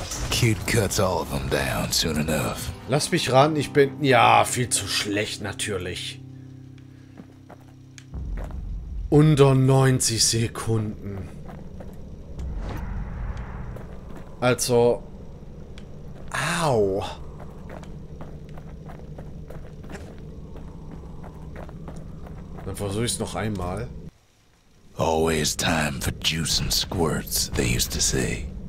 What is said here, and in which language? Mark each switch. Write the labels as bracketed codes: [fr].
[en] Kid cuts all of them down soon enough. [de] Lass mich ran, ich bin ja viel zu schlecht natürlich. Unter 90 Sekunden. Also. Au. Dann versuche ich es noch einmal. [en] Always time for juice and squirts, they used to say.